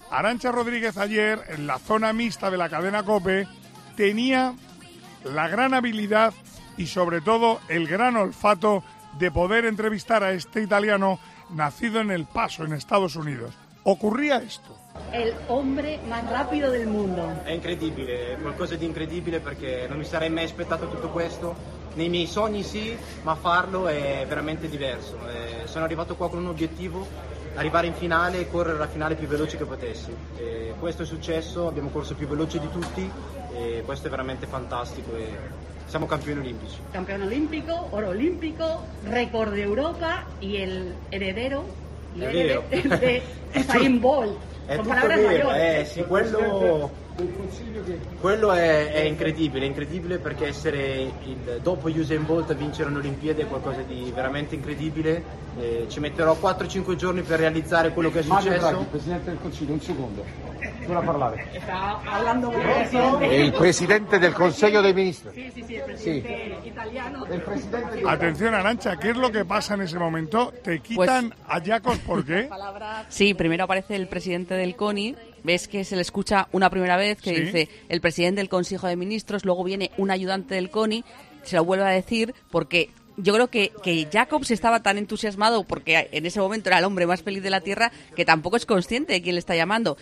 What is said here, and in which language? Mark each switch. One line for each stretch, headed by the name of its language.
Spanish: Arantxa Rodríguez ayer, en la zona mixta de la cadena COPE, tenía la gran habilidad y sobre todo el gran olfato de poder entrevistar a este italiano nacido en El Paso, en Estados Unidos. Ocurría esto. El hombre más rápido del mundo. Es increíble,
Italian: qualcosa di incredibile, perché non mi sarei mai aspettato tutto questo. Nei miei sogni sì, ma farlo è veramente diverso. Sono arrivato qua con un obiettivo, arrivare in finale e correre la finale più veloce che potessi. Questo è successo, abbiamo corso più veloce di tutti e questo è veramente fantastico. Siamo campioni olimpici. Campione olimpico, oro olimpico, record di Europa e il eredero di Usain Bolt. È tutto vero, sì, quello è incredibile perché essere il dopo Usain Bolt a vincere un'Olimpiade è qualcosa di veramente incredibile. Ci metterò 4-5 giorni per realizzare quello che è successo. Mario Draghi, Presidente del Consiglio, un secondo. Vuole parlare. Sta parlando con il Presidente del Consiglio dei Ministri. Sì, il Presidente italiano.
Spanish: Attenzione Arantxa, ¿qué es lo que pasa en ese momento? Te quitan a Jacobs, ¿por qué? Sí, primero aparece el Presidente del CONI. Ves que se le escucha una primera vez que dice el presidente del Consejo de Ministros, luego viene un ayudante del CONI, se lo vuelve a decir, porque yo creo que Jacobs estaba tan entusiasmado, porque en ese momento era el hombre más feliz de la Tierra, que tampoco es consciente de quién le está llamando.